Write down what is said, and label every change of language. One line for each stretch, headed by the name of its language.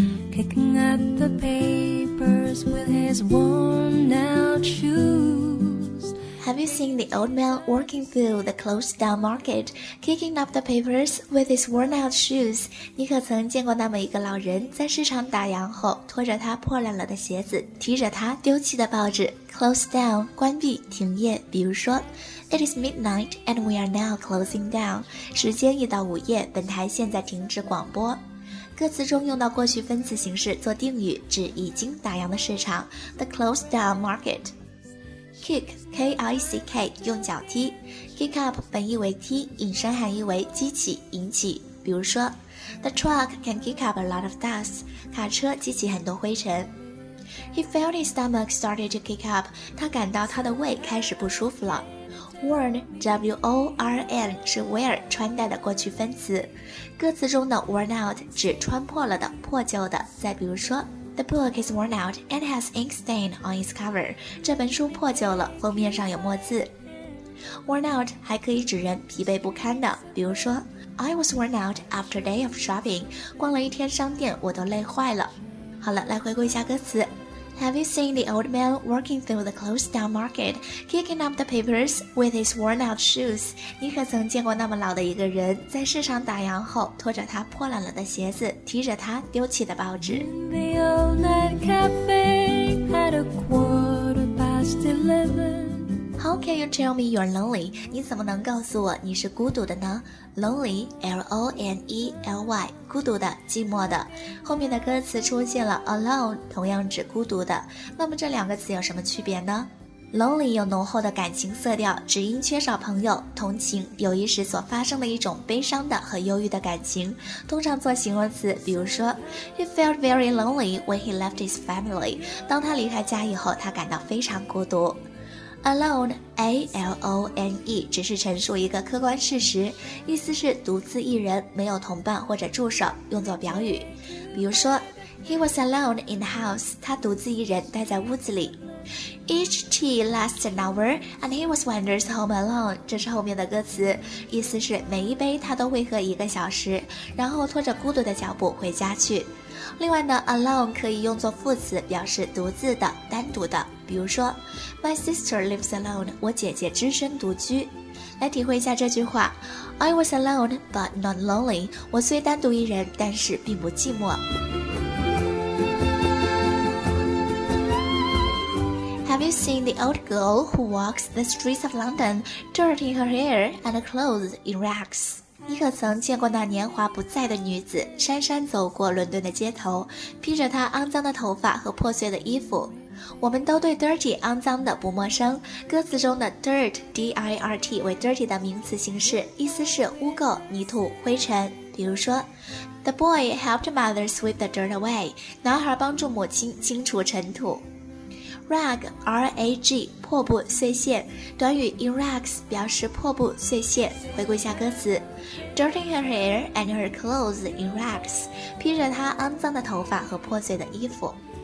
English: Kicking at the papers with his worn-out shoes. Have you seen the old man working through the closed-down market, kicking up the papers with his worn-out shoes?
Chinese: 你可曾见过那么一个老人在市场打烊后，拖着他破烂了的鞋子，提着他丢弃的报纸 ？Closed down, 关闭、停业。
English: 比如说 ，It is midnight and we are now closing down.
Chinese: 时间已到午夜，本台现在停止广播。歌词中用到过去分词形式做定语，指已经打烊的市场
English: The closed down market. Kick, K-I-C-K, 用脚踢。
Chinese: Kick up 本意为踢，引申含义为激起、引起。
English: 比如说 The truck can kick up a lot of dust.
Chinese: 卡车激起很多灰尘。
English: He felt his stomach started to kick up.
Chinese: 他感到他的胃开始不舒服了。Worn, W-O-R-N, 是 wear, 穿戴的过去分词。歌词中的 worn out 指穿破了的、破旧的。
English: 再比如说 The book is worn out and has ink stain on its cover.
Chinese: 这本书破旧了，封面上有墨渍。Worn out 还可以指人疲惫不堪的。
English: 比如说 I was worn out after a day of shopping.
Chinese: 逛了一天商店，我都累坏了。好了，来回顾一下歌词。
English: Have you seen the old man working through the closed down market, kicking up the papers with his worn out shoes?
Chinese: 你可曾见过那么老的一个人在市场打烊后，拖着他破烂了的鞋子，提着他丢弃的报纸？
English: In the old night cafe at a quarter past 11. How can you tell me you're lonely?
Chinese: 你怎么能告诉我你是孤独的呢？Lonely, L-O-N-E-L-Y, 孤独的、寂寞的。后面的歌词出现了 alone, 同样指孤独的。那么这两个词有什么区别呢？Lonely 有浓厚的感情色调，只因缺少朋友、同情、友谊时所发生的一种悲伤的和忧郁的感情，通常做形容词。
English: 比如说 He felt very lonely when he left his family.
Chinese: 当他离开家以后，他感到非常孤独。Alone, A-L-O-N-E, 只是陈述一个客观事实，意思是独自一人，没有同伴或者助手，用作表语。
English: 比如说 He was alone in the house,
Chinese: 他独自一人待在屋子里。
English: Each tea lasts an hour, and he was wanders home alone,
Chinese: 这是后面的歌词，意思是每一杯他都会喝一个小时，然后拖着孤独的脚步回家去。另外呢 ，alone 可以用作副词，表示独自的、单独的。比如说 ，
English: My sister lives alone，
Chinese: 我姐姐只身独居。来体会一下这句话 ，
English: I was alone but not lonely，
Chinese: 我虽单独一人，但是并不寂寞。
English: Have you seen the old girl who walks the streets of London, dirty her hair and clothes in rags?
Chinese: 你可曾见过那年华不在的女子姗姗走过伦敦的街头，披着她肮脏的头发和破碎的衣服？我们都对 dirty 肮脏的不陌生。歌词中的 dirt D-I-R-T 为 dirty 的名词形式，意思是污垢、泥土、灰尘。
English: 比如说 The boy helped mother sweep the dirt away.
Chinese: 男孩帮助母亲清除尘土。Rag, R-A-G, 破布、碎屑。短语 in rags 表示破布、碎屑。回顾一下歌词 ，
English: Dirty her hair and her clothes in rags，
Chinese: 披着她肮脏的头发和破碎的衣服。